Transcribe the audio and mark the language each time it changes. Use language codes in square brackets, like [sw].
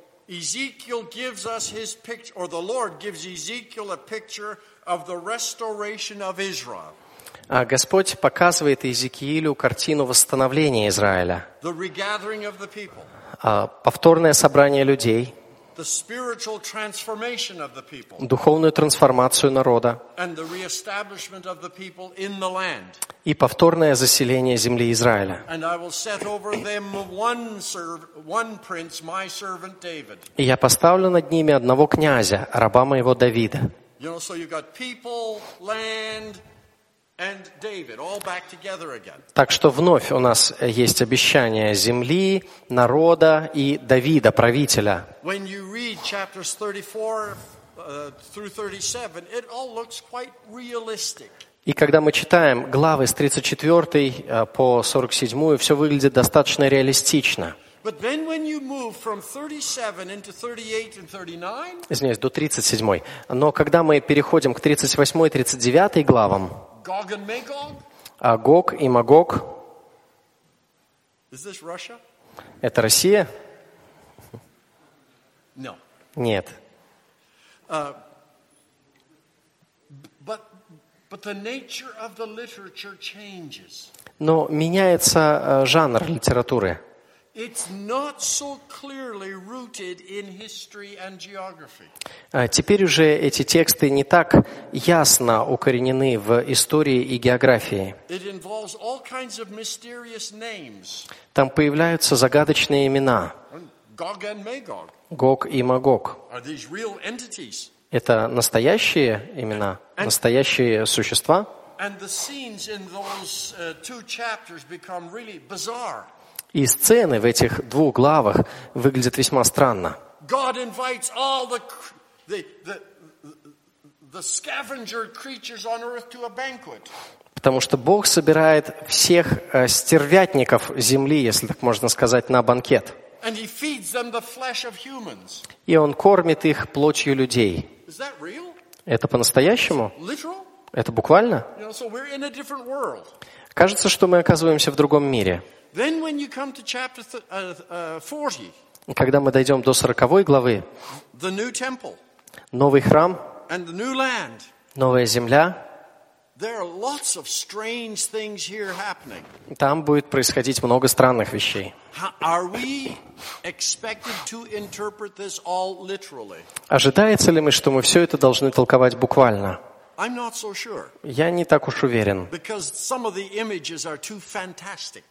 [en] Ezekiel gives us his picture, or the Lord gives Ezekiel a picture of the restoration of Israel. [ru] Господь показывает Иезекиилю картину восстановления Израиля. [en] The regathering of the people. [ru] Повторное собрание людей. [en] The spiritual transformation of the people. [ru] Духовную трансформацию народа. [en] And the reestablishment of the people in the land. [ru] И повторное заселение земли Израиля. [en] And I will set over them one prince, my servant David. [ru] И я поставлю над ними одного князя, раба моего Давида. [en] You know, so you got people, land, and David all back together again. [ru] Так что вновь у нас есть обещание земли, народа и Давида, правителя. [en] When you read chapters 34 through 37, it all looks quite realistic. [ru] И когда мы читаем главы с 34 по 47, все выглядит достаточно реалистично. [en] But then when you move from 37 into 38 and 39, [ru] извиняюсь, до 37. Но когда мы переходим к 38 и 39 главам, [en] Gog and Magog? [ru] Гог и Магог. [en] Is this Russia? [ru] Это Россия? [en] No. [ru] Нет. [en] But the nature of the literature changes. [ru] Но меняется жанр литературы. [en] It's not so clearly rooted in history and geography. [ru] Теперь уже эти тексты не так ясно укоренены в истории и географии. [en] It involves all kinds of mysterious names. [ru] Там появляются загадочные имена. [en] Gog and Magog. [ru] Гог и Магог. [en] Are these real entities? [ru] Это настоящие имена, настоящие существа? [en] And the scenes in those two chapters become really bizarre. [ru] И сцены в этих двух главах выглядят весьма странно. [en] God invites all the scavenger creatures on earth to a banquet. [ru] Потому что Бог собирает всех стервятников земли, если так можно сказать, на банкет. [en] And he feeds them the flesh of humans. [ru] И он кормит их плотью людей. [en] Is that real? [ru] Это по-настоящему? [en] Literal? [ru] Это буквально? [en] You know, so we're in a different world. [ru] Кажется, что мы оказываемся в другом мире. [en] Then when you come to chapter 40, [ru] когда мы дойдем до 40 главы, [en] the new temple, [ru] новый храм, [en] and the new land, [ru] новая земля, [en] there are lots of strange things here happening. [ru] Там будет происходить много странных вещей. [en] Are we expected to interpret this all literally? [ru] Ожидается ли мы, что мы все это должны толковать буквально? [en] I'm not so sure. [ru] Я не так уж уверен. [en] Because some of the images are too fantastic.